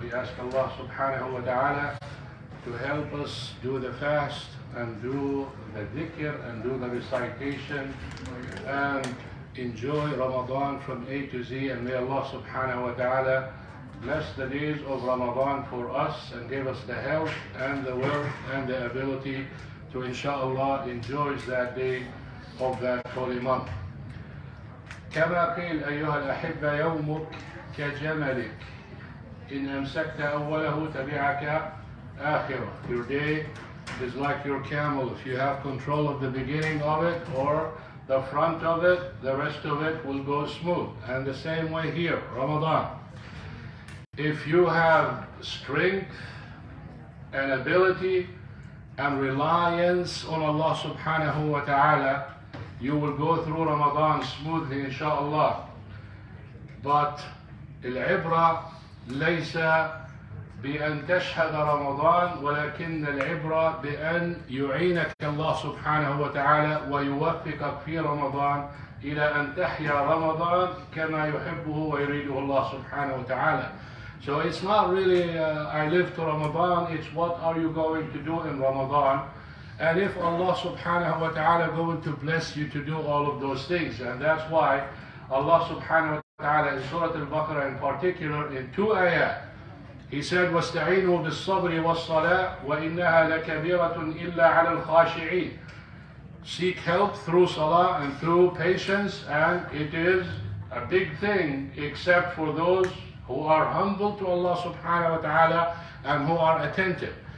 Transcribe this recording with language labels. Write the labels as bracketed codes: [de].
[en] We ask Allah subhanahu wa ta'ala to help us do the fast and do the dhikr and do the recitation and enjoy Ramadan from A to Z, and may Allah subhanahu wa ta'ala bless the days of Ramadan for us and give us the health and the wealth and the ability to inshallah enjoy that day of that holy month. [ar] كما قيل أيها الأحبة يومك كجملك إن أمسكت أوله تبعك آخره. [en] Your day is like your camel. If you have control of the beginning of it or the front of it, the rest of it will go smooth. And the same way here, Ramadan. If you have strength and ability and reliance on Allah subhanahu wa ta'ala, you will go through Ramadan smoothly inshallah. [ar] But العبرة ليس بأن تشهد رمضان، ولكن العبرة بأن يعينك الله سبحانه وتعالى ويوفقك في رمضان إلى أن تحيا رمضان كما يحبه ويريده الله سبحانه وتعالى. [en] So it's not really I live to Ramadan, it's what are you going to do in Ramadan, and if Allah سبحانه وتعالى going to bless you to do all of those things. And that's why Allah سبحانه وتعالى in Surah Al-Baqarah in particular in two ayat He said, [ar] وَاسْتَعِينُوا بِالصَّبْرِ وَالصَّلَاةِ وَإِنَّهَا لَكَبِيرَةٌ إِلَّا عَلَى الْخَاشِعِينَ [en] Seek help through salah and through patience, and it is a big thing except for those who are humble to Allah subhanahu wa ta'ala and who are attentive.